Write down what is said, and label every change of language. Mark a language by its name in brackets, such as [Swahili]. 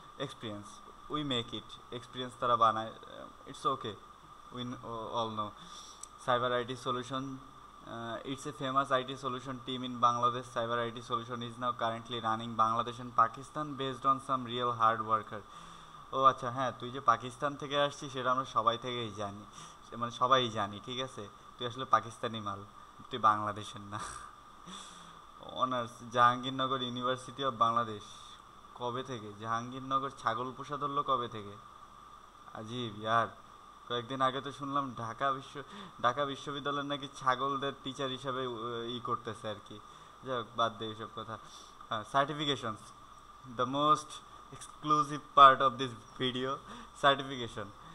[English] Experience, we make it. Experience [Bangla] tara banai, [English] it's okay. We all know. Cyber IT solution, it's a famous IT solution team in Bangladesh. Cyber IT solution is now currently running Bangladesh and Pakistan based on some real hard worker. [Bangla] ও আচ্ছা, হ্যাঁ তুই যে পাকিস্তান থেকে আসছিস সেটা আমরা সবাই থেকেই জানি, মানে সবাই জানি, ঠিক আছে। তুই আসলে পাকিস্তানি মাল, তুই বাংলাদেশের না। Honours, Jahangirnagar university of Bangladesh. কবে থেকে জাহাঙ্গীরনগর ছাগল পোষা ধরলো, কবে থেকে? আজীব ইয়ার, কয়েকদিন আগে তো শুনলাম ঢাকা বিশ্ববিদ্যালয়ের নাকি ছাগলদের টিচার হিসাবে ই করতেছে আর কি। যাই হোক, বাদ দে এইসব কথা। [English] হ্যাঁ, certifications, the most exclusive part of this video, certification.